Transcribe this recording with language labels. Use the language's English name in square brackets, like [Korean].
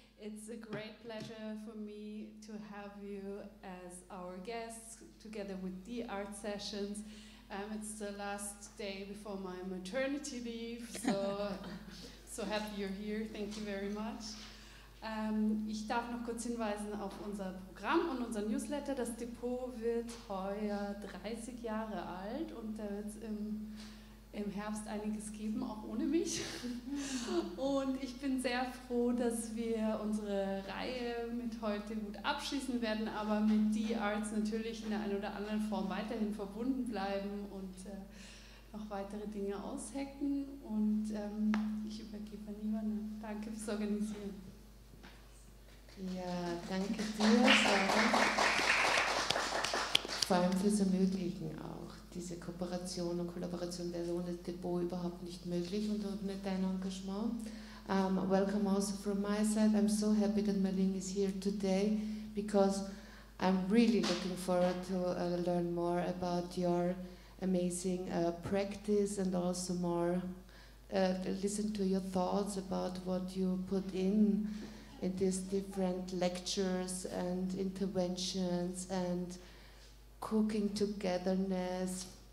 [English] It's a great pleasure for me to have you as our guests together with the art sessions. It's the last day before my maternity leave, so so happy you're here. Thank you very much. [German] Ich darf noch kurz hinweisen auf unser Programm und unser Newsletter. Das Depot wird heuer 30 Jahre alt und da wird es im Herbst einiges geben, auch ohne mich. Und ich bin sehr froh, dass wir unsere Reihe mit heute gut abschließen werden, aber mit die Arts natürlich in der einen oder anderen Form weiterhin verbunden bleiben und noch weitere Dinge aushacken. Und ich übergebe an Ivana. Danke fürs Organisieren. Ja, danke dir, Sarah. Vor allem fürs Ermöglichen auch. Diese Kooperation und Kollaboration wäre ohne Depot überhaupt nicht möglich und ohne dein Engagement. [English] Welcome also from my side. I'm so happy that Mai Ling is here today because I'm really looking forward to learn more about your amazing practice and also more listen to your thoughts about what you put in these different lectures and interventions and cooking togetherness.